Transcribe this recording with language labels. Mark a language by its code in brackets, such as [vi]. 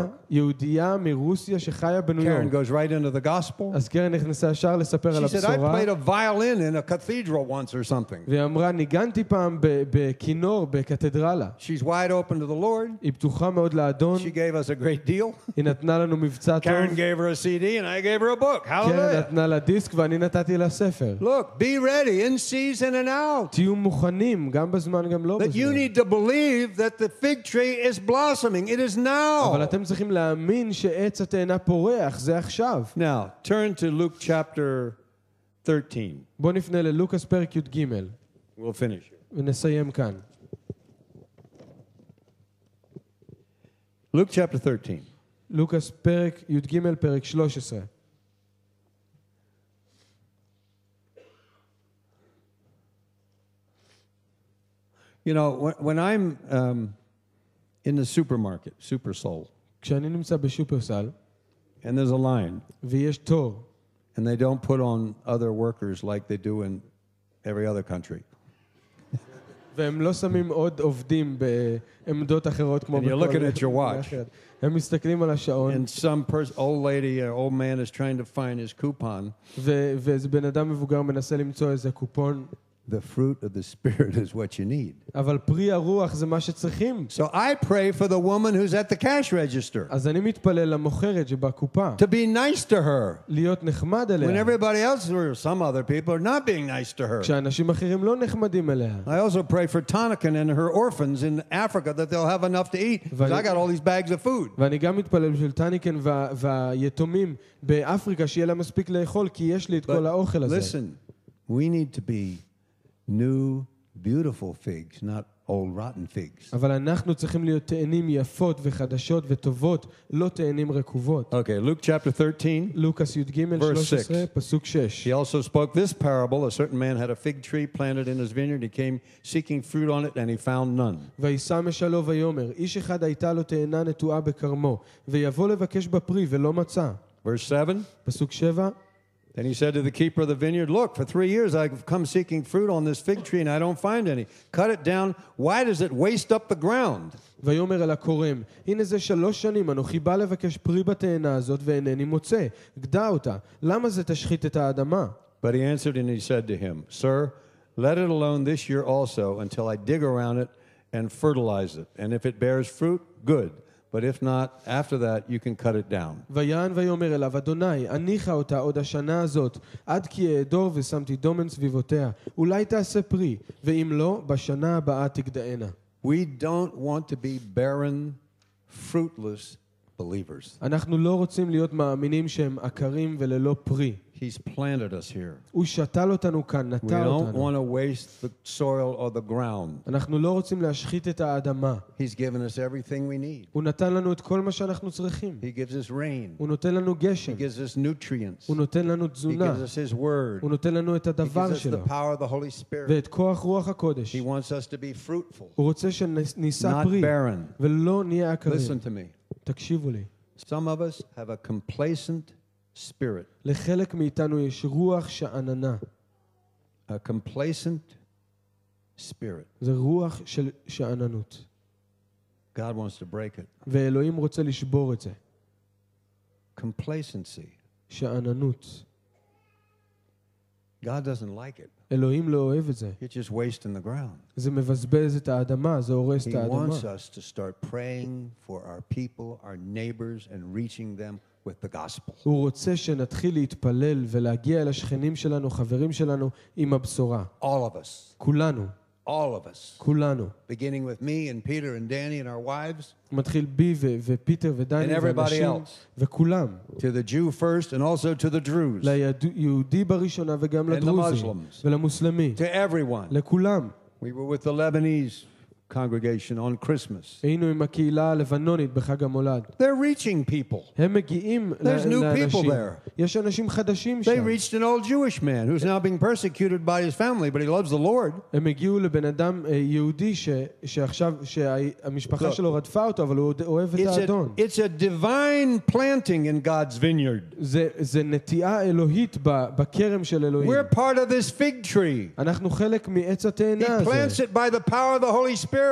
[he] יהודיה מרוסיה שחיה בניו יורק. [en] Karen goes right into the gospel. [he] אז קרן נכנסה ישר לספר על הבשורה. [en] She said, I played a violin in a cathedral once or something. [he] והיא אמרה, ניגנתי פעם בכינור, בקתדרלה. [en] She's wide open to the Lord. [he] היא פתוחה מאוד לאדון. [en] She gave us a great deal. [he] היא נתנה לנו מבצע טוב. [en] Karen gave her a CD and I gave her a book. Hallelujah. [he] קרן נתנה לה דיסק ואני נתתי לה ספר. [en] Look, be ready in season and out. [he] תהיו מוכנים, גם בזמן, גם לא בזמן. [en] That you need to believe that the fig tree is blossoming. It is now. [he] אבל אתם צריכים להאמין שעץ התאנה פורח, זה עכשיו. [en] Now, turn to Luke chapter 13. [he] בוא נפנה ללוקס פרק י' ג'. [en] We'll finish here. [he] ונסיים כאן. [en] Luke chapter 13. [he] לוקס פרק י' ג' פרק 13. [en] You know, when I'm in the supermarket, Supersol. [he] כשאני נמצא בשופרסל, [en] and there's a line. [he] ויש תור. [en] And they don't put on other workers like they do in every other country. [he] והם לא שמים עוד עובדים בעמדות אחרות כמו בכל. [en] You're looking at your watch. [he] הם מסתכלים על השעון. [en] And some old lady or old man is trying to find his coupon. [he] ואיזה בן אדם מבוגר מנסה למצוא איזה קופון. [en] The fruit of the spirit is what you need. [he] אבל פרי הרוח זה מה שצריכים. [en] So I pray for the woman who's at the cash register. [he] אז אני מתפלל למוכרת שבקופה. [en] To be nice to her. [he] להיות נחמד אליה. [en] When everybody else or some other people are not being nice to her. [he] כשאנשים אחרים לא נחמדים אליה. [en] I also pray for Tonikin and her orphans in Africa that they'll have enough to eat. Cuz I got all these bags of food. [he] ואני גם מתפלל של טניקן והיתומים באפריקה שיהיה להם מספיק לאכול כי יש לי את כל האוכל הזה. [en] Listen. We need to be new beautiful figs not old rotten figs [he] אבל אנחנו צריכים להיות תאנים יפות וחדשות וטובות לא תאנים רקובות. [en] Okay, Luke chapter 13 [he] לוקס י' ג' 13 פסוק 6. [en] He also spoke this parable, a certain man had a fig tree planted in his vineyard, he came seeking fruit on it and he found none. [he] וישא משלו ויאמר, איש אחד הייתה לו תאנה נטועה בכרמו ויבוא לבקש בפרי ולא מצא. [en] Verse 7. [he] פסוק 7. [en] Then he said to the keeper of the vineyard, "Look, for 3 years I've come seeking fruit on this fig tree and I don't find any. Cut it down. Why does it waste up the ground?" [he] ויאמר אל הכורם, "הנה זה 3 שנים אנוכי בא לבקש פרי בתאנה הזאת ואינני מוצא. גדע אותה. למה זה תשחית את האדמה?" [en] But he answered and he said to him, "Sir, let it alone this year also until I dig around it and fertilize it. And if it bears fruit, good. But if not, after that, you can cut it down." [he] ויען ויאמר אליו, "אדוני, אניחה אותה עוד השנה הזאת, עד כי אעדור ושמתי דומן סביבותיה. אולי תעשה פרי, ואם לא, בשנה הבאה תגדענה." [en] We don't want to be barren, fruitless believers. [he] אנחנו לא רוצים להיות מאמינים שהם עקרים וללא פרי. [en] He's planted us here. [he] הוא שתל אותנו כאן, נטע אותנו. [en] We don't want to waste the soil or the ground. [he] אנחנו לא רוצים להשחית את האדמה. [en] He's given us everything we need. [he] הוא נתן לנו את כל מה שאנחנו צריכים. [en] He gives us rain. [he] הוא נותן לנו גשם. [en] He gives us nutrients. [he] הוא נותן לנו תזונה. [en] He gives us his word. [he] הוא נותן לנו את הדבר שלו. [en] He gives us the power of the Holy Spirit. [he] ואת כוח רוח הקודש. [en] He wants us to be fruitful. [he] הוא רוצה שנישא פרי. [en] Not barren. [he] ולא נהיה עקרים. [en] Listen to me. [he] תקשיבו לי. [en] Some of us have a complacent spirit. [he] לחלק מאיתנו יש רוח שאננה. [en] A complacent spirit. [he] זה רוח של שאננות. [en] God wants to break it. [he] ואלוהים רוצה לשבור את זה. [en] Complacency. [he] שאננות. [en] God doesn't like it. [he] אלוהים לא אוהב את זה. [en] It's just wasting the ground. [he] זה מבזבז את האדמה, זה הורס את האדמה. [en] He wants us to start praying for our people, our neighbors, and reaching them with the gospel. [he] הוא רוצה שנתחיל להתפלל ולהגיע אל השכנים שלנו, חברים שלנו, עם הבשורה. [en] All of us. [he] כולנו. [en] All of us. [he] כולנו. [en] Beginning with me and Peter and Danny and our wives. [he] מתחיל בי ופיטר ודני ואנשים וכולם. [en] To the Jew first and also to the Druze. [he] ליהודי בראשונה וגם לדרוזים ולמוסלמי. [en] To everyone. [he] לכולם. [en] We were with the Lebanese congregation on Christmas. [he] היינו עם הקהילה הלבנונית בחג המולד. [en] They're reaching people. [he] הם מגיעים לאנשים. יש אנשים חדשים שם. [en] They reached an old Jewish man who's now being persecuted by his family, but he loves the Lord. [he] הם הגיעו לבן אדם יהודי שעכשיו שהמשפחה שלו רדפה אותו, אבל הוא אוהב את האדון. [en] It's a divine planting in God's vineyard. [he] זה נטיעה אלוהית בכרם של אלוהים. [en] We're part of this fig tree. [he] אנחנו חלק מעץ התאנה הזה. [en] He plants it by the power of the Holy Spirit.